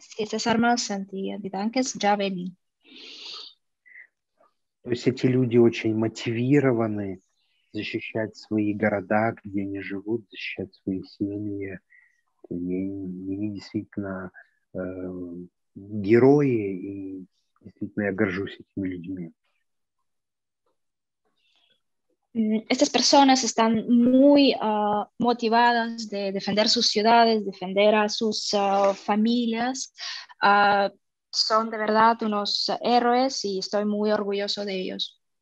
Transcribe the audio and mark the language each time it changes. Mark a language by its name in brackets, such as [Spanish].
[Spanish] Estas armas antitanques, Джавелин. [Russian] То есть эти люди очень мотивированы защищать свои города, где они живут, защищать свои семьи. Они действительно герои, и действительно я горжусь этими людьми. [Spanish] Estas personas están muy motivadas de defender sus ciudades, defender a sus familias. Son de verdad unos héroes y estoy muy orgulloso de ellos.